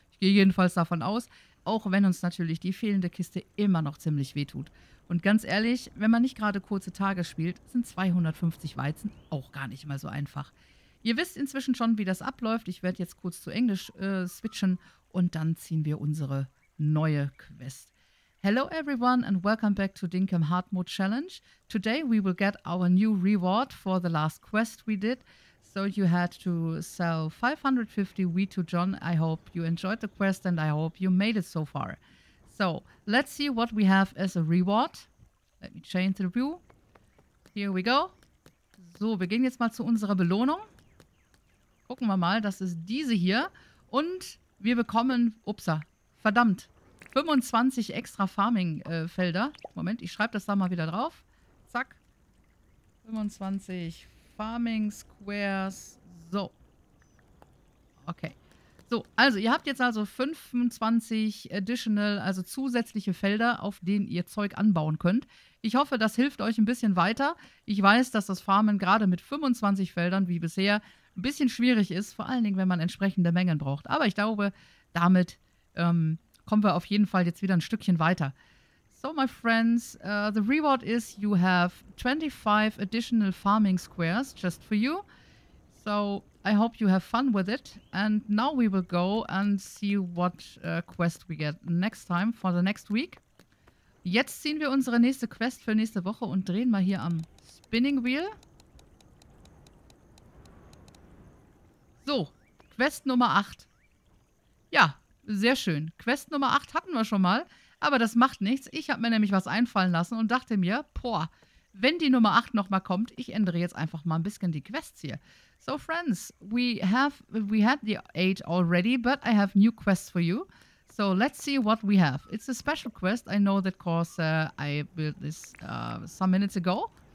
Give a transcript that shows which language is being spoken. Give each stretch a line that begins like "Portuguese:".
German: Ich gehe jedenfalls davon aus, auch wenn uns natürlich die fehlende Kiste immer noch ziemlich wehtut. Und ganz ehrlich, wenn man nicht gerade kurze Tage spielt, sind 250 Weizen auch gar nicht mal so einfach. Ihr wisst inzwischen schon, wie das abläuft. Ich werde jetzt kurz zu Englisch switchen und dann ziehen wir unsere neue Quest.
English: Hello everyone and welcome back to Dinkem Hartmut Challenge. Today we will get our new reward for the last quest we did. So you had to sell 550 wheat to John. I hope you enjoyed the quest and I hope you made it so far. So let's see what we have as a reward. Let me change the view. Here we go.
German: So, wir gehen jetzt mal zu unserer Belohnung. Gucken wir mal, das ist diese hier. Und wir bekommen, upsa, verdammt, 25 extra Farming-Felder. Moment, ich schreibe das da mal wieder drauf. Zack. 25 Farming-Squares. So. Okay. So, also ihr habt jetzt also 25 additional, also zusätzliche Felder, auf denen ihr Zeug anbauen könnt. Ich hoffe, das hilft euch ein bisschen weiter. Ich weiß, dass das Farmen gerade mit 25 Feldern, wie bisher, ein bisschen schwierig ist, vor allen Dingen, wenn man entsprechende Mengen braucht. Aber ich glaube, damit kommen wir auf jeden Fall jetzt wieder ein Stückchen weiter.
English: So, my friends, the reward is you have 25 additional farming squares just for you. So, I hope you have fun with it. And now we will go and see what quest we get next time for the next week.
German: Jetzt ziehen wir unsere nächste Quest für nächste Woche und drehen mal hier am Spinning Wheel. So, Quest Nummer 8. Ja, sehr schön. Quest Nummer 8 hatten wir schon mal, aber das macht nichts. Ich habe mir nämlich was einfallen lassen und dachte mir, boah, wenn die Nummer 8 nochmal kommt, ich ändere jetzt einfach mal ein bisschen die Quests hier.
English: So, friends, we had the 8 already, but I have new quests for you. So, let's see what we have. It's a special quest. I know that course I built this some minutes ago.